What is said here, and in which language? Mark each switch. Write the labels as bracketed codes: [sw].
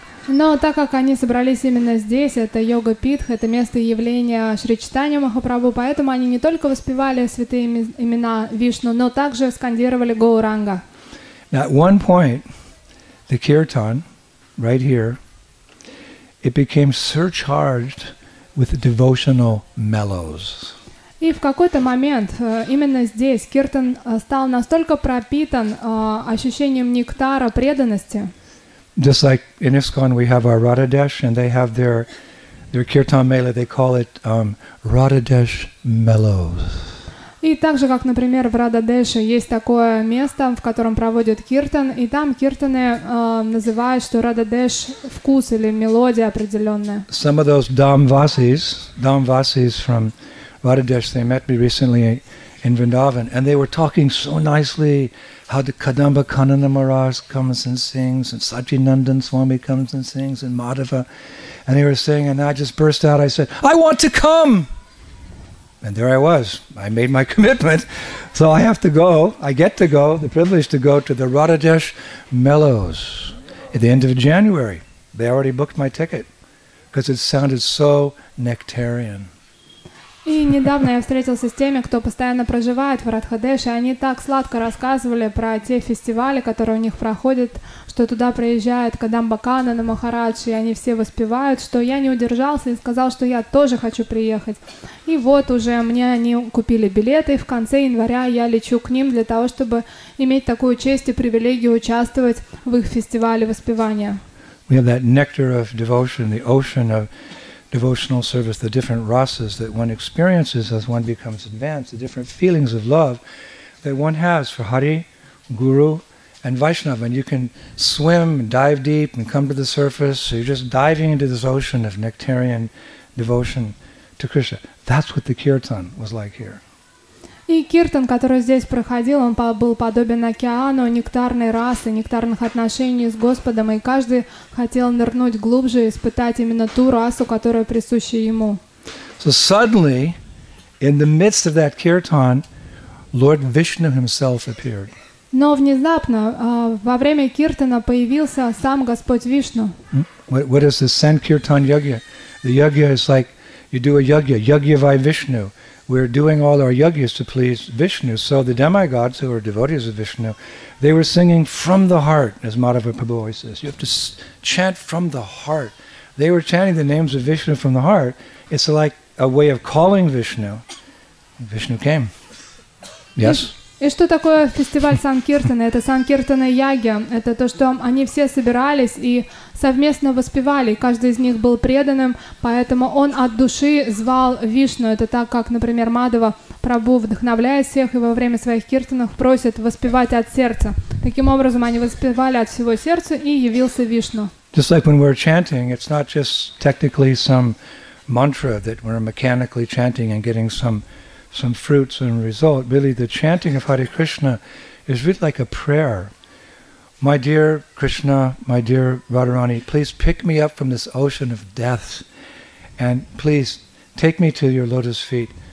[ru] Но так как они собрались именно здесь, это йога Питх, это место явления Шри Чайтанья Махапрабху, поэтому они не только воспевали святые имена Вишну, но также скандировали Гоуранга. [en] Now at one point, the kirtan, right here, it became surcharged with devotional mellows. [ru] И в какой-то момент именно здесь киртан стал настолько пропитан ощущением нектара преданности. [en] Just like in ISKCON we have our Radhadesh, and they have their kirtan mela, they call it Radhadesh Mellows. [ru] И также, как, например, в Радхадеше есть такое место, в котором проводят киртан, и там киртаны называют, что Радхадеш — вкус или мелодия определенная. [en] Some of those Dhamvasis from Radhadesh, they met me recently in Vrindavan, and they were talking so nicely how the Kadamba Kanana Maharaj comes and sings, and Sachinandan Swami comes and sings, and Madhava, and they were singing, and I just burst out, I said, I want to come! And there I was. I made my commitment. So I have to go. I get to go, the privilege to go to the Radhadesh Mellows at the end of January. They already booked my ticket because it sounded so nectarian. [ru] И недавно я встретился с теми, кто постоянно проживает в Радхадеше, и они так сладко рассказывали про те фестивали, которые у них проходят, что туда приезжает Кадамба Канана Махарадж, и они все воспевают, что я не удержался и сказал, что я тоже хочу приехать. И вот уже мне они купили билеты, и в конце января я лечу к ним для того, чтобы иметь такую честь и привилегию участвовать в их фестивале воспевания. [en] We have that nectar of devotion, the ocean of devotional service, the different rasas that one experiences as one becomes advanced, the different feelings of love that one has for Hari, Guru, and Vaishnava. And you can swim, dive deep, and come to the surface. So you're just diving into this ocean of nectarian devotion to Krishna. That's what the kirtan was like here. [ru] И киртан, который здесь проходил, он был подобен океану нектарной расы, нектарных отношений с Господом, и каждый хотел нырнуть глубже и испытать именно ту расу, которая присуща ему. [en] So suddenly, in the midst of that kirtan, Lord Vishnu himself appeared. [ru] Но внезапно, во время киртана появился сам Господь Вишну. [en] What is the Sankirtan Yagya? The Yagya is like, you do a Yagya, [sa] Yagya Vai Vishnu. [en] We're doing all our Yagyas to please Vishnu. So the demigods, who are devotees of Vishnu, they were singing from the heart, as Madhava Prabhu always says. You have to chant from the heart. They were chanting the names of Vishnu from the heart. It's like a way of calling Vishnu. Vishnu came. Yes? [ru] И что такое фестиваль Санкиртана? Это Санкиртана Ягья. Это то, что они все собирались и совместно воспевали. Каждый из них был преданным, поэтому он от души звал Вишну. Это так, как, например, Мадхава Прабху вдохновляет всех и во время своих киртанов просит воспевать от сердца. Таким образом, они воспевали от всего сердца, и явился Вишну. [en] Just like when we're chanting, it's not just technically some mantra that we're mechanically chanting and getting some fruits and result. Really, the chanting of Hare Krishna is really like a prayer. My dear Krishna, my dear Radharani, please pick me up from this ocean of death and please take me to your lotus feet.